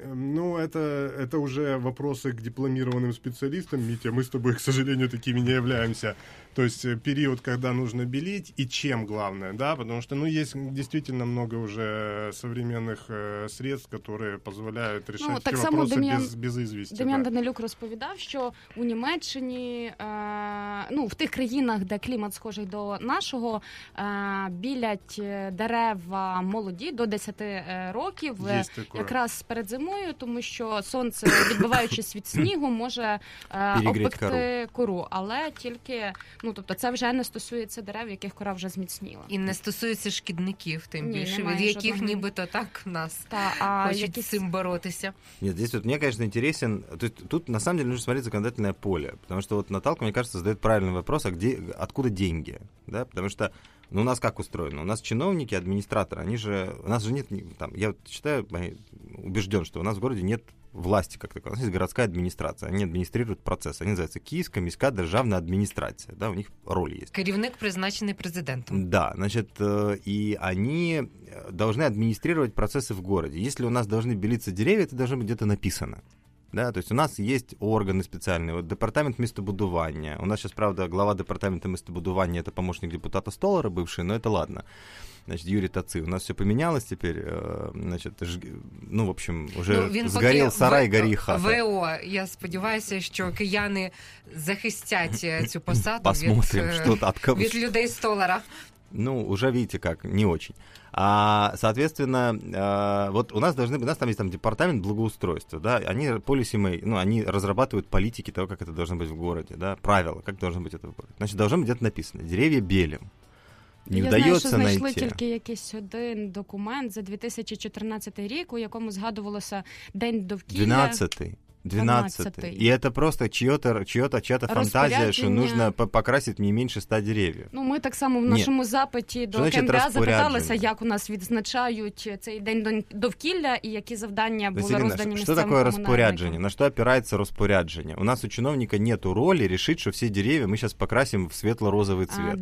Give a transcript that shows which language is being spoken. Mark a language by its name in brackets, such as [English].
[Russian] Ну, это уже вопросы к дипломированным специалистам, Митя, мы с тобой, к сожалению, такими не являемся. То есть период, когда нужно белить, и чем главное, да, потому что, ну, есть действительно много уже современных средств, которые позволяют решать, ну, такі вопроси без известия. [Ukrainian] Дем'ян Данилюк розповідав, що у Німеччині, ну, в тих країнах, де клімат схожий до нашого, білять дерева молоді до 10 років, якраз перед зимою, тому що сонце, відбиваючись від снігу, може обпекти кору, але тільки... Ну, тобто це вже не стосується дерев, яких кора вже зміцніла. І не стосується шкідників, тим більше, від яких жодного... нібито так в нас хочуть якісь... цим боротися. [Russian] Ні, здесь вот мне, конечно, интересен, тут на самом деле нужно смотреть законодательное поле, потому что вот Наталка, мне кажется, задает правильный вопрос, а где, откуда деньги, да, потому что, ну, у нас как устроено? У нас чиновники, администраторы, они же, у нас же нет, там, я вот считаю, убежден, что у нас в городе нет власти как такой. У нас есть городская администрация. Они администрируют процесс. Они называются Киевская міська державна адміністрація. Да, у них роль есть. [Ukrainian] Керівник, призначений президентом. [Russian] Да, значит, и они должны администрировать процессы в городе. Если у нас должны белиться деревья, это должно быть где-то написано. Да, то есть у нас есть органы специальные. Вот департамент містобудування. У нас сейчас, правда, глава департамента містобудування — это помощник депутата Столара бывший, но это ладно. Значит, Юрий Таци, у нас все поменялось теперь, значит, ну, в общем, уже, ну, сгорел сарай, гори и хата. [Ukrainian] ВО, я сподіваюся, що кияни захистять цю посаду. [Russian] Посмотрим, что от кого. [Ukrainian] Від людей Столара. [Russian] Ну, уже видите, как не очень. А, соответственно, вот у нас должны быть, у нас там есть там департамент благоустройства, да, они policy-made, ну, они разрабатывают политики того, как это должно быть в городе, да, правила, как должно быть это в городе. Значит, должно быть где-то написано: деревья белим. [Ukrainian] Не вдається знайти. Я знайшла тільки якийсь один документ за 2014 рік, у якому згадувалося День довкілля. 12-й. 12-й. [Russian] И это просто чья-то фантазия, что нужно покрасить не меньше 100 деревьев. [Ukrainian] Ну, мы так само в нашем запиті до КМДА запиталися, як у нас відзначають цей день довкілля і які завдання були роздані місцевим комунальникам. [Russian] Что такое распоряджение? На что опирается распоряджение? У нас у чиновника нету роли решить, что все деревья мы сейчас покрасим в светло-розовый цвет.